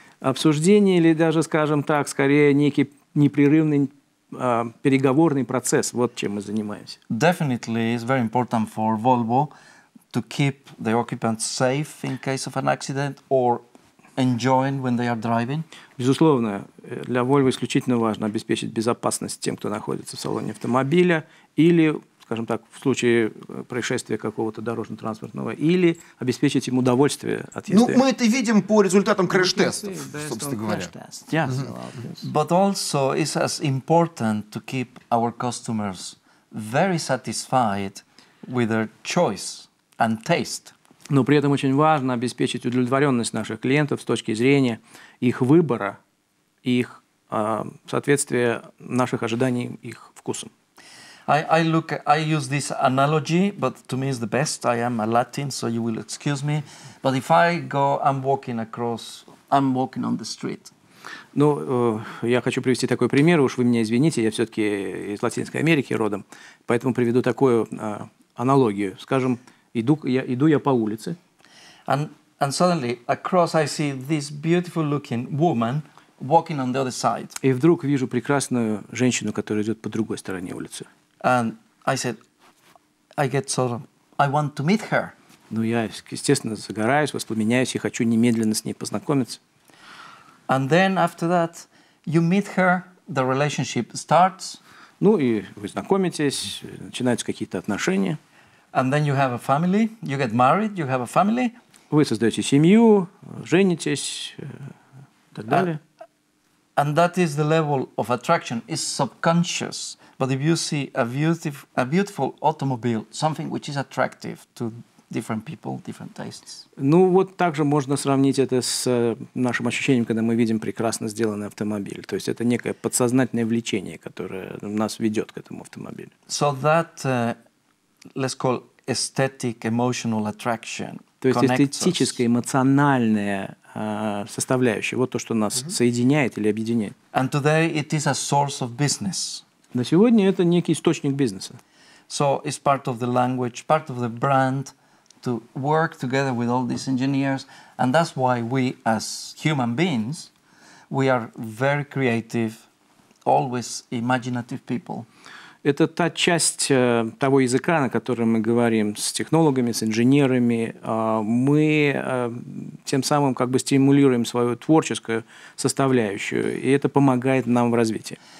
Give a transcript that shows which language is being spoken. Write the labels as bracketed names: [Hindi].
[Russian] Обсуждение или даже, скажем так, скорее некий непрерывный переговорный процесс. Вот чем мы занимаемся. [English] Definitely, it's very important for Volvo to keep the occupants safe in case of an accident or enjoying when they are driving. [Russian] Безусловно, для Volvo исключительно важно обеспечить безопасность тем, кто находится в салоне автомобиля, или, скажем так, в случае происшествия какого-то дорожно-транспортного, или обеспечить им удовольствие от езды. Ну, мы это видим по результатам краш-тестов, собственно говоря. [English] But also it's as important to keep our customers very satisfied with their choice and taste. [Russian] Но при этом очень важно обеспечить удовлетворенность наших клиентов с точки зрения их выбора, их соответствия наших ожиданий, их вкусам. [English] I use this analogy, but to me it's the best. I am a Latin, so you will excuse me. But if I go, I'm walking on the street. [Russian] Ну, я хочу привести такой пример, уж вы меня извините, я все-таки из Латинской Америки родом, поэтому приведу такую аналогию, скажем. Иду я по улице. [English] And suddenly across I see this beautiful looking woman walking on the other side. [Russian] И вдруг вижу прекрасную женщину, которая идет по другой стороне улицы. [English] And I said, I get sort of, I want to meet her. [Russian] Ну, я, естественно, загораюсь, воспламеняюсь и хочу немедленно с ней познакомиться. [English] And then after that you meet her, the relationship starts. [Russian] Ну и вы знакомитесь, начинаются какие-то отношения. [English] And then you have a family, you get married, you have a family. [Russian] Вы создаете семью, женитесь, так далее. [English] And that is the level of attraction, is subconscious. But if you see a beautiful automobile, something which is attractive to different people, different tastes. [Russian] Ну вот также можно сравнить это с нашим ощущением, когда мы видим прекрасно сделанный автомобиль. То есть это некое подсознательное влечение, которое нас ведет к этому автомобилю. So that let's call aesthetic emotional attraction. То есть эстетическая, эмоциональная составляющая. Вот то, что нас соединяет или объединяет. [English] And today it is a source of business. [Russian] На сегодня это некий источник бизнеса. [English] So it's part of the language, part of the brand, to work together with all these engineers. And that's why we, as human beings, we are very creative, always imaginative people. [Russian] Это та часть того языка, на котором мы говорим с технологами, с инженерами. Мы тем самым как бы стимулируем свою творческую составляющую, и это помогает нам в развитии.